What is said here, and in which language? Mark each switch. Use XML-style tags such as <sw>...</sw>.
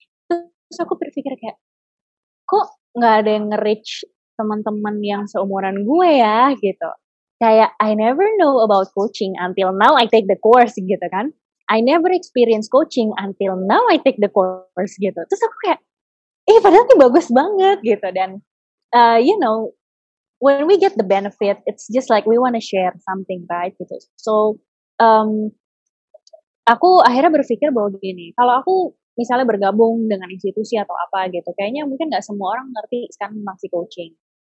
<id>Terus aku berpikir kayak, kok nggak ada yang nge-reach teman-teman yang seumuran gue ya gitu. Kayak</id> <en>I never know about coaching until now I take the course</en> <id>gitu kan.</id> <en>I never experience coaching until now I take the course</en> <id>gitu. Terus aku kayak, padahal ini bagus banget gitu.</id> <en>Dan you know, when we get the benefit, it's just like we wanna share something, right?</en> <id>Gitu.</id> <en>So</en> <id>aku akhirnya berpikir bahwa gini, kalau aku misalnya bergabung dengan institusi atau apa gitu, kayaknya mungkin nggak semua orang ngerti kan masih coaching.</id>